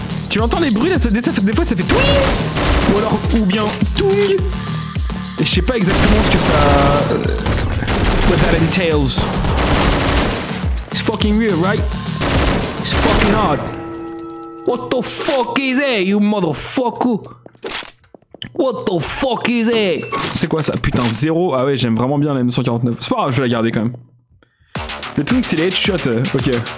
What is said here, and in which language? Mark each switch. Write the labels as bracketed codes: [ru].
[fr] Tu entends les bruits là, des fois ça fait twing. Ou alors, ou bien twing. Et je sais pas exactement ce que ça... [en] What that entails. It's fucking weird, right? It's fucking odd. What the fuck is that, you motherfucker? What the fuck is that? [fr] C'est quoi ça? Putain, zéro. Ah ouais, j'aime vraiment bien la M149. C'est pas grave, je vais la garder quand même. Le twing, c'est les headshots, ok.